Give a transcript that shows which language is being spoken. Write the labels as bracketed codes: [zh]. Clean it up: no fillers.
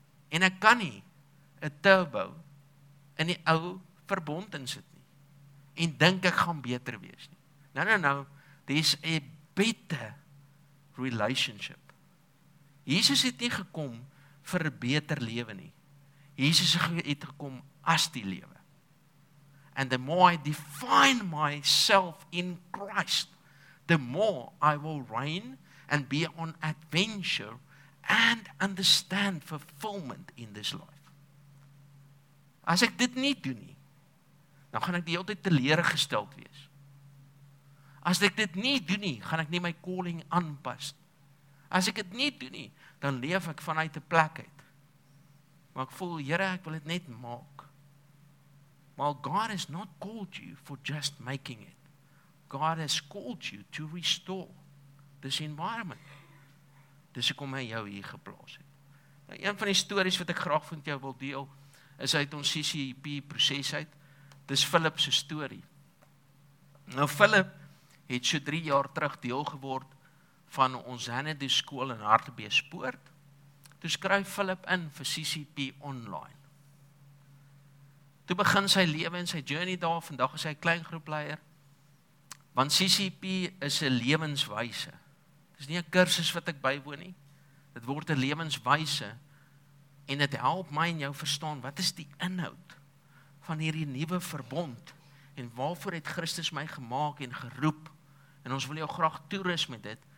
[af] En ek kan nie 'n turbo in die ou verbond insit nie. En dink ek gaan beter wees nie. Nou, [en] there's a better relationship. [af] Jesus het nie gekom vir 'n beter lewe nie. Jesus het gekom as die lewe. [en] And the more I define myself in Christ, the more I will reign and be on adventure and understand fulfillment in this life. [af] As ek dit nie doen nie, dan gaan ek die hele tyd teleurgesteld wees. As ek dit nie doen nie, gaan ek nie my calling aanpas. As ek dit nie doen nie, dan leef ek vanuit 'n plek uit. Maar ek voel, Here, ek wil dit net maak. [en] Well, God has not called you for just making it. God has called you to restore this environment. [af] Dis hoekom hy jou hier geplaas het. Nou, een van die stories wat ek graag vir jou wil deel, is uit ons CCP proses uit. Dis Philip se story. Nou, Philip het so 3 jaar terug deel geword van ons Zanadu school in Hartbeespoort. Toe skryf Philip in vir CCP online. Toe begin sy lewe en sy journey daar, vandag is hy klein groepleier, want CCP is 'n lewenswyse. Dit is nie 'n kursus wat ek bywoon nie, dit word 'n lewenswyse en dit help my en jou verstaan, wat is die inhoud van hierdie nuwe verbond en waarvoor het Christus my gemaak en geroep en ons wil jou graag toerus met dit.